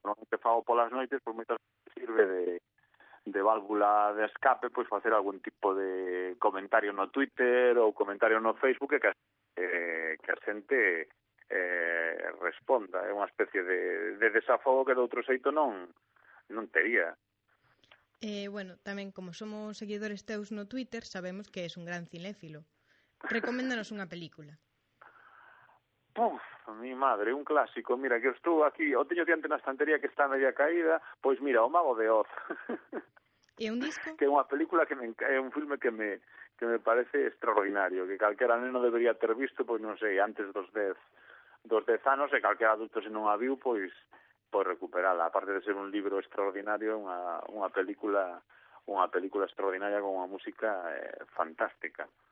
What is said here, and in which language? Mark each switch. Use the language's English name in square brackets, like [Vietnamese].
[Galician] Normalmente fago polas noites, pois moitas veces sirve de válvula de escape, pois facer algún tipo de comentario no Twitter ou comentario no Facebook que a xente responda. É unha especie de desafogo que de outro xeito non tería. Bueno, tamén como somos seguidores teus no Twitter, sabemos que es un gran cinéfilo. Recoméndanos unha película. [Spanish] Puf, mi madre, un clásico. [Galician] Mira, [Spanish] que estuvo aquí, [Galician] o teño diante na estantería que está media caída, pois mira, O Mago de Oz. [Spanish] ¿Y un disco? [Galician] Que é unha película que é un filme que me parece extraordinario, que calquera neno debería ter visto, pois non sei, antes dos dez anos, e calquera adulto se non a viu, pois recuperala. Aparte de ser un libro extraordinario, unha película extraordinaria con unha música fantástica.